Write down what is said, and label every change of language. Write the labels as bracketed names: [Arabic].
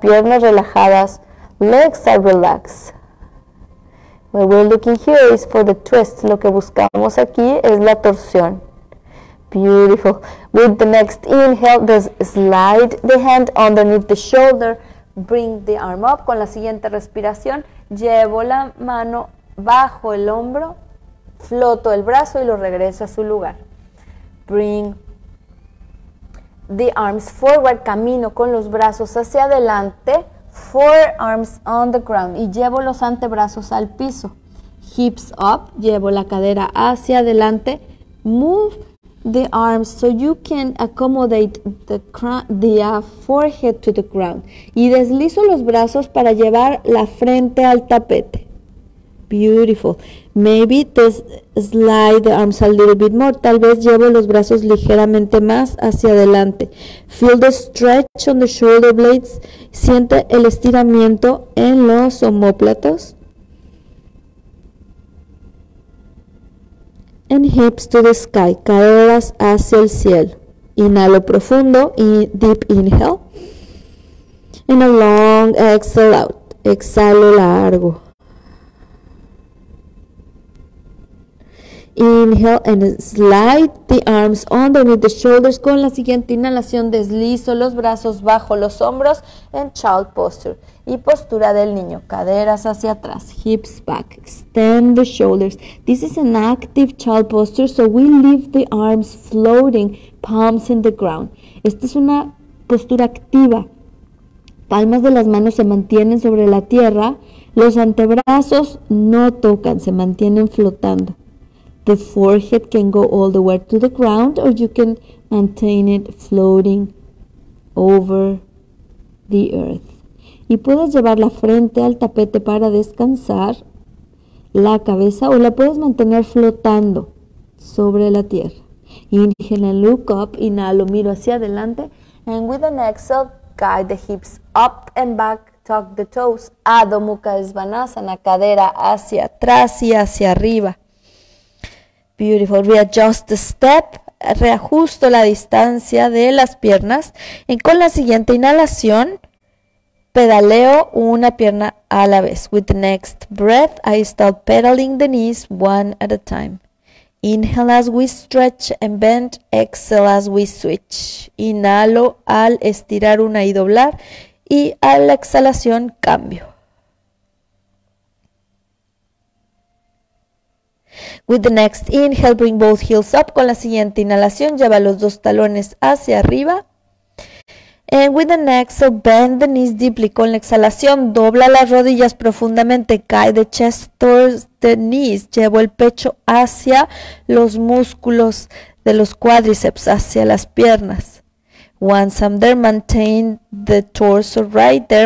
[Spanish] Piernas relajadas. [English] Legs are relaxed. What we're looking here is for the twist. [Spanish] Lo que buscamos aquí es la torsión. [English] Beautiful. With the next inhale, just slide the hand underneath the shoulder. Bring the arm up. [Spanish] Con la siguiente respiración, llevo la mano bajo el hombro, floto el brazo y lo regreso a su lugar. [English] Bring the arms forward. [Spanish] Camino con los brazos hacia adelante. [English] Forearms on the ground [Spanish] y llevo los antebrazos al piso. [English] Hips up, [Spanish] llevo la cadera hacia adelante. [English] Move the arms so you can accommodate the forehead to the ground. [Spanish] Y deslizo los brazos para llevar la frente al tapete. Beautiful. [English] Maybe just slide the arms a little bit more. [Spanish] Tal vez llevo los brazos ligeramente más hacia adelante. [English] Feel the stretch on the shoulder blades. [Spanish] Siente el estiramiento en los omóplatos. [English] And hips to the sky, [Spanish] caderas hacia el cielo. Inhalo profundo, [English] deep inhale. And a long exhale out, [Spanish] exhalo largo. [English] Inhale and slide the arms underneath the shoulders. [Spanish] Con la siguiente inhalación deslizo los brazos bajo los hombros en [English] child posture. [Spanish] Y postura del niño, caderas hacia atrás, [English] hips back, extend the shoulders. This is an active child posture, so we leave the arms floating, palms in the ground. [Spanish] Esta es una postura activa. Palmas de las manos se mantienen sobre la tierra. Los antebrazos no tocan, se mantienen flotando. [English] The forehead can go all the way to the ground, or you can maintain it floating over the earth. [Spanish] Y puedes llevar la frente al tapete para descansar la cabeza, o la puedes mantener flotando sobre la tierra. [English] Inhale and look up, [Spanish] inhalo, miro hacia adelante. [English] And with an exhale, guide the hips up and back, tuck the toes, Adho Mukha Svanasana, [Spanish] cadera hacia atrás y hacia arriba. [English] Beautiful. Readjust the step. [Spanish] Reajusto la distancia de las piernas. Y con la siguiente inhalación, pedaleo una pierna a la vez. [English] With the next breath, I start pedaling the knees one at a time. Inhale as we stretch and bend. Exhale as we switch. [Spanish] Inhalo al estirar una y doblar. Y a la exhalación, cambio. [English] With the next inhale, bring both heels up. [Spanish] Con la siguiente inhalación, lleva los dos talones hacia arriba. [English] And with the next exhale, bend the knees deeply. [Spanish] Con la exhalación, dobla las rodillas profundamente. Cae [English] the chest towards the knees. [Spanish] Llevo el pecho hacia los músculos de los cuádriceps, hacia las piernas. [English] Once I'm there, maintain the torso right there.